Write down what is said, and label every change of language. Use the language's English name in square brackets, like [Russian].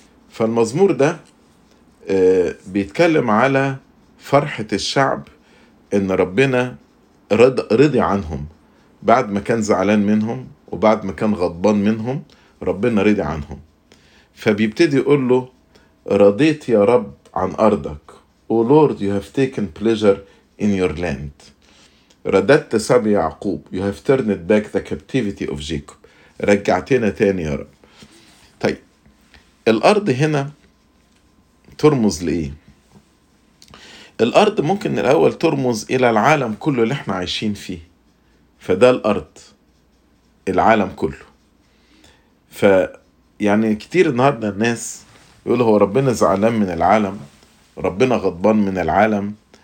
[Arabic] فالمزمور ده بيتكلم على فرحة الشعب ان ربنا رضي عنهم بعد ما كان زعلان منهم وبعد ما كان غضبان منهم، ربنا رضي عنهم. فبيبتدي يقول له رضيت يا رب عن ارضك، [English] O Lord you have taken pleasure in your land. [Arabic] رددت سبي يعقوب، [English] you have turned back the captivity of Jacob. [Arabic] رجعتنا تاني يا رب. طيب الأرض هنا ترمز لإيه؟ الأرض ممكن الأول ترمز إلى العالم كله اللي احنا عايشين فيه، فده الأرض العالم كله. فيعني كتير النهاردة الناس يقول هو ربنا زعلان من العالم، ربنا غضبان من العالم.